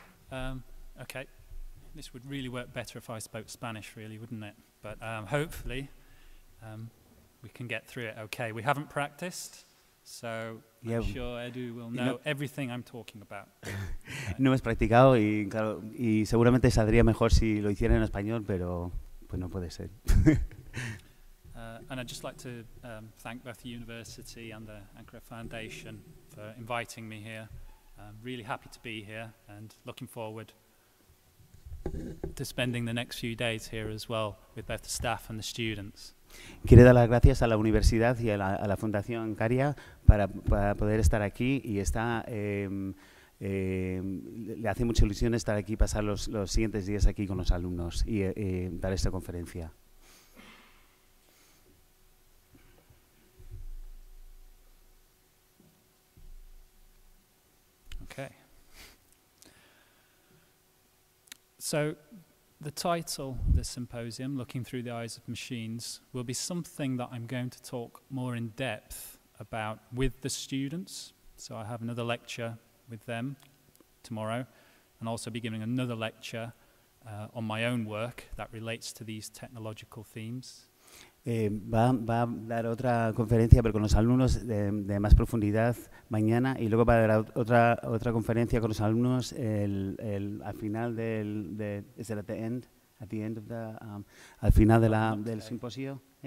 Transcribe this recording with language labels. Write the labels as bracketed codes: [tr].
[es] Sí. [en] Okay. This would really work better if I spoke Spanish, really, wouldn't it? But hopefully we can get through it. Okay, we haven't practiced, so yeah. I'm sure Edu will know everything I'm talking about. [es] No hemos practicado y, claro, y seguramente saldría mejor si lo hiciera en español, pero pues no puede ser. [en] And I'd just like to thank both the university and the Ankara Foundation for inviting me here. I'm really happy to be here and looking forward to spending the next few days here as well with both the staff and the students. [es] Quiero dar las gracias a la universidad y a la Fundación Ankaria para poder estar aquí y le hace mucha ilusión estar aquí, pasar los siguientes días aquí con los alumnos y dar esta conferencia. [en] So, the title of this symposium, Looking Through the Eyes of Machines, will be something that I'm going to talk more in depth about with the students. So I have another lecture with them tomorrow, and also be giving another lecture on my own work that relates to these technological themes. [es] Va a dar otra conferencia, pero con los alumnos de más profundidad mañana, y luego va a dar otra conferencia con los alumnos al final del simposio.